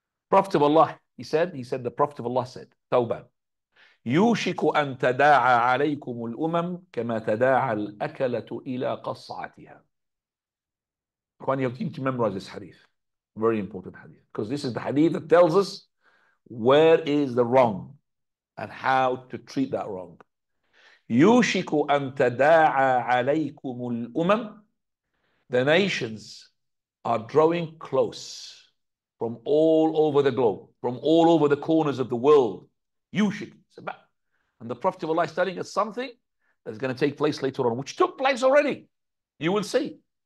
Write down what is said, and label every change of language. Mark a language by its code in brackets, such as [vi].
[en] Prophet of Allah, he said, the Prophet of Allah said, Thawban, [ar] يُوشِكُ أَن تَدَاعَ عَلَيْكُمُ الْأُمَمْ كَمَا تَدَاعَ الْأَكَلَةُ إِلَىٰ قَصَّعَتِهَا. [en] Quran, you need to memorize this hadith. Very important hadith. Because this is the hadith that tells us where is the wrong and how to treat that wrong. [ar] يُوشِكُ أَن تَدَاعَ عَلَيْكُمُ الْأُمَمْ. [en] The nations are drawing close from all over the globe, from all over the corners of the world. [ar] يُوشِكُ. [en] And the Prophet of Allah is telling us something that's going to take place later on, which took place already. You will see.